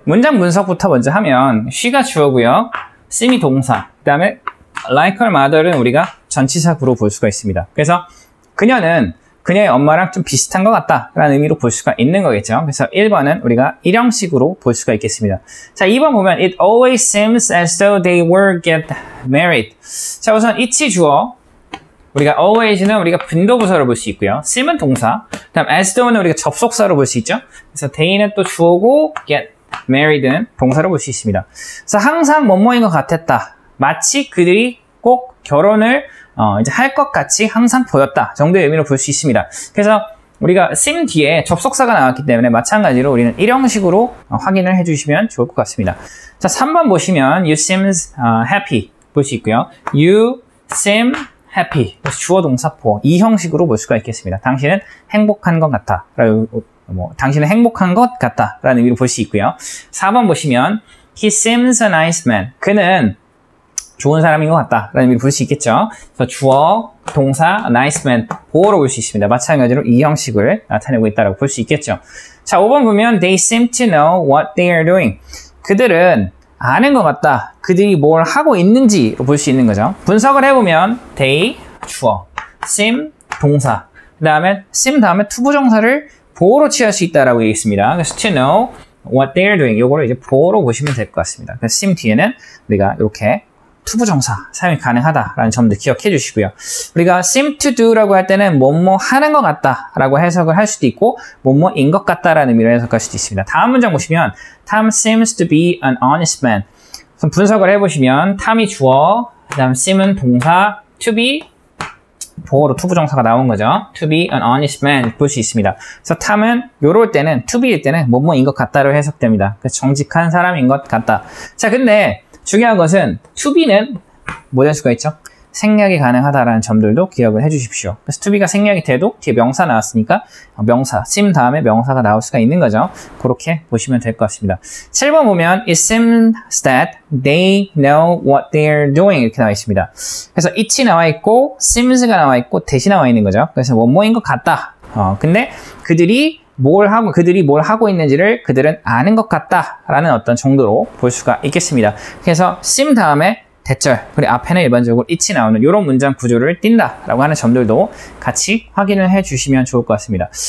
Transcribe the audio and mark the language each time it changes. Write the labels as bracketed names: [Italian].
[Korean] 문장 분석부터 먼저 하면 she가 주어고요. seem이 동사. 그 다음에 [English] like her mother [Korean] 은 우리가 전치사구로 볼 수가 있습니다. 그래서 그녀는 그녀의 엄마랑 좀 비슷한 것 같다라는 의미로 볼 수가 있는 거겠죠. 그래서 1번은 우리가 일형식으로 볼 수가 있겠습니다. 자, 2번 보면 [English] It always seems as though they will get married. [Korean] 자, 우선 it이 주어. 우리가 always는 우리가 분도부사를 볼 수 있고요. seem은 동사. 다음 as though는 우리가 접속사로 볼 수 있죠. 그래서 they는 또 주어고 get married는 동사로 볼 수 있습니다. 그래서 항상 뭐뭐인 것 같았다. 마치 그들이 꼭 결혼을 이제 할 것 같이 항상 보였다 정도의 의미로 볼 수 있습니다. 그래서 우리가 sim 뒤에 접속사가 나왔기 때문에 마찬가지로 우리는 일형식으로 확인을 해주시면 좋을 것 같습니다. 자, 3번 보시면 [English] you seems happy [Korean] 볼 수 있고요. [English] you seem happy [Korean] 주어 동사 포 이 형식으로 볼 수가 있겠습니다. 당신은 행복한 것 같다. 당신은 행복한 것 같다라는 의미로 볼 수 있고요. 4번 보시면 [English] he seems a nice man. [Korean] 그는 좋은 사람인 것 같다 라는 의미로 볼 수 있겠죠. 그래서 주어, 동사, nice man, 보어로 볼 수 있습니다. 마찬가지로 이 형식을 나타내고 있다고 볼 수 있겠죠. 자, 5번 보면 [English] they seem to know what they are doing. [Korean] 그들은 아는 것 같다. 그들이 뭘 하고 있는지 볼 수 있는 거죠. 분석을 해보면 they, 주어, seem, 동사, 그 다음에 seem 다음에 투부정사를 보어로 취할 수 있다고 얘기했습니다. 그래서 [English] to know what they are doing, [Korean] 이거를 이제 보어로 보시면 될 것 같습니다. 그래서 seem 뒤에는 우리가 이렇게 투부정사 사용이 가능하다라는 점도 기억해 주시고요. 우리가 seem to do라고 할 때는 뭐뭐 하는 것 같다라고 해석을 할 수도 있고 뭐뭐인 것 같다라는 의미로 해석할 수도 있습니다. 다음 문장 보시면 [English] Tom seems to be an honest man. [Korean] 분석을 해보시면 Tom이 주어, 그 다음 seem은 동사, to be 보어로 투부정사가 나온 거죠. [English] To be an honest man [Korean] 볼 수 있습니다. 그래서 Tom은 요럴 때는 to be일 때는 뭐뭐인 것 같다로 해석됩니다. 그래서 정직한 사람인 것 같다. 자, 근데 중요한 것은 to be는 뭐 될 수가 있죠? 생략이 가능하다라는 점들도 기억을 해주십시오. 그래서 to be가 생략이 돼도 뒤에 명사 나왔으니까 명사, sim 다음에 명사가 나올 수가 있는 거죠. 그렇게 보시면 될 것 같습니다. 7번 보면 [English] it seems that they know what they're doing [Korean] 이렇게 나와 있습니다. 그래서 it이 나와 있고 sims가 나와 있고 that이 나와 있는 거죠. 그래서 뭐뭐인 것 같다. 근데 그들이 뭘 하고 있는지를 그들은 아는 것 같다라는 어떤 정도로 볼 수가 있겠습니다. 그래서 sim 다음에 대절, 그리고 앞에는 일반적으로 it이 나오는 이런 문장 구조를 띈다라고 하는 점들도 같이 확인을 해 주시면 좋을 것 같습니다.